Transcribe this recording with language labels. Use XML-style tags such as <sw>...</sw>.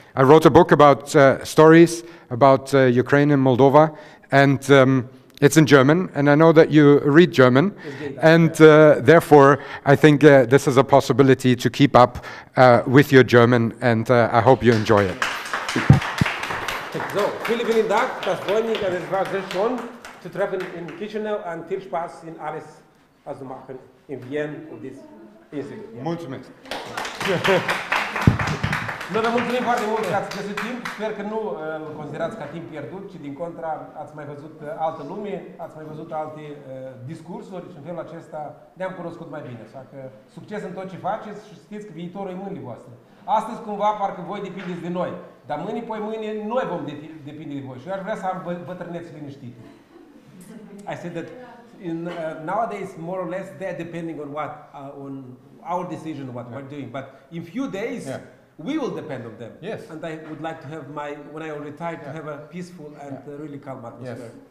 <en>I wrote a book about stories about Ukraine and Moldova, and it's in German, and I know that you read German, and therefore I think this is a possibility to keep up with your German, and I hope you enjoy it.</en> <de>So, vielen, vielen Dank, das freut mich, das war sehr schön. Zu treffen in Chisinau und viel Spaß in alles, was wir machen in Wien und dies ist. Mundmit.</de> <ro>Noi vă mulțumim foarte mult că ați găsit timp. Sper că nu îl considerați ca timp pierdut, ci din contra ați mai văzut altă lume, ați mai văzut alte discursuri și în felul acesta ne-am cunoscut mai bine. Așa că succes în tot ce faceți și știți că viitorul e mâinile voastre. Astăzi cumva parcă voi depindeți de noi, dar mâine, poi mâine, noi vom depinde de voi și eu aș vrea să am bătrâneți liniștit.</ro> <en>I said that in, nowadays, more or less, they're depending on what, on our decision, what we're doing. But in a few days, we will depend on them. Yes. And I would like to have my, when I retire, to have a peaceful and really calm atmosphere.</en>